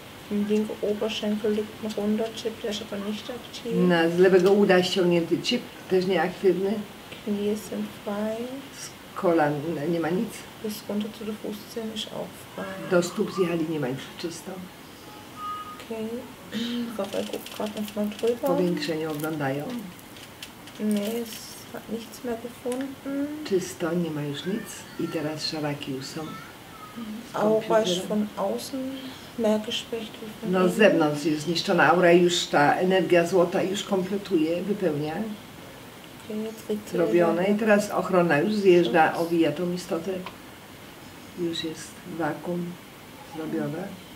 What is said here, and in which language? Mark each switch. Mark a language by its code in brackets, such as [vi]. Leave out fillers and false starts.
[de] Im linken Oberschenkel liegt ein runder Chip, der ist aber nicht aktiv. [pl] Na z lewego uda ściągnięty chip, też nieaktywny. [de] Knie sind frei. [pl] Z kolan nie ma nic. [de] Bis runter zu der Fußzehen ist auch frei. [pl] Do stóp zjechali nie ma nic czysto. Okej. [de] Rafael guckt gerade noch mal drüber. [pl] Powiększenie oglądają. [de] Nie, es hat nichts mehr gefunden. [pl] Czysto, nie ma już nic. I teraz szaraki już są. [de] Aura ist von außen mehr geschwächt. [pl] No z zewnątrz jest zniszczona aura, już ta energia złota już kompletuje, wypełnia. Zrobione. I teraz ochrona już zjeżdża, owija tą istotę. Już jest wakum zrobione.